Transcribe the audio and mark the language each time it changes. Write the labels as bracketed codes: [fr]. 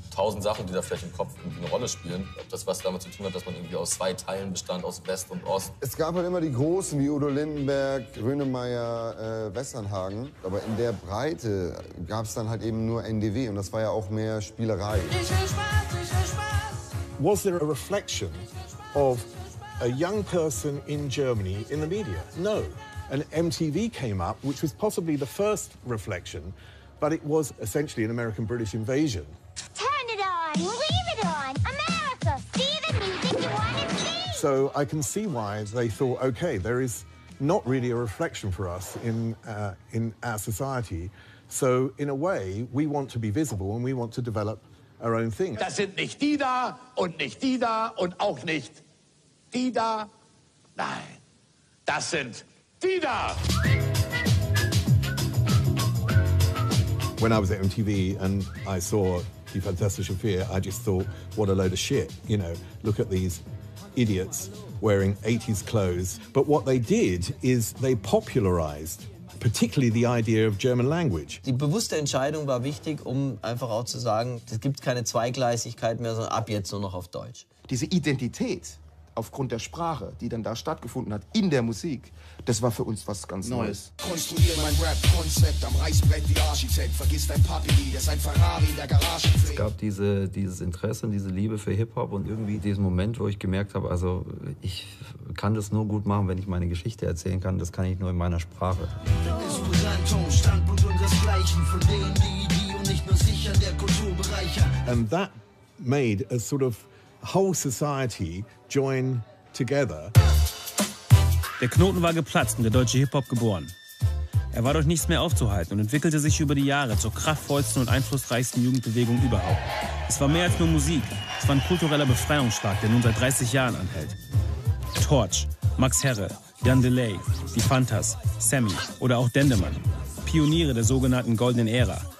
[de] Tausend Sachen, die da vielleicht im Kopf eine Rolle spielen. Ob das was damit zu tun hat, dass man irgendwie aus zwei Teilen bestand, aus West und Ost. Es gab halt immer die Großen wie Udo Lindenberg, Grönemeyer, Westernhagen. Aber in der Breite gab es dann halt eben nur NDW und das war ja auch mehr Spielerei. Ich will Spaß, ich will Spaß. [en] Was there a reflection of a young person in Germany in the media? No. And MTV came up, which was possibly the first reflection, but it was essentially an American-British invasion. Turn it on, leave it on, America, see the music you want to see. So I can see why they thought, okay, there is not really a reflection for us in our society. So in a way, we want to be visible and we want to develop our own thing. [de] Das sind nicht die da und nicht die da und auch nicht die da. Nein, das sind... [en] When I was at MTV and I saw Die Fantastische Vier, I just thought, what a load of shit. You know, look at these idiots wearing 80s clothes. But what they did is they popularized particularly the idea of German language. [de] Die bewusste Entscheidung war wichtig, um einfach auch zu sagen, es gibt keine Zweigleisigkeit mehr, sondern ab jetzt nur noch auf Deutsch. Diese Identität aufgrund der Sprache, die dann da stattgefunden hat, in der Musik, das war für uns was ganz Neues. Konstruiere mein Rap-Konzept am Reißbrett wie Architekt. Vergiss dein Papi, der sein Ferrari in der Garage fährt. Es gab dieses Interesse und diese Liebe für Hip-Hop und irgendwie diesen Moment, wo ich gemerkt habe, also ich kann das nur gut machen, wenn ich meine Geschichte erzählen kann. Das kann ich nur in meiner Sprache. [en] And that made a sort of whole society join together. [de] Der Knoten war geplatzt und der deutsche Hip-Hop geboren. Er war durch nichts mehr aufzuhalten und entwickelte sich über die Jahre zur kraftvollsten und einflussreichsten Jugendbewegung überhaupt. Es war mehr als nur Musik, es war ein kultureller Befreiungsschlag, der nun seit 30 Jahren anhält. Torch, Max Herre, Jan Delay, Die Fantas, Sammy oder auch Dendemann, Pioniere der sogenannten Goldenen Ära.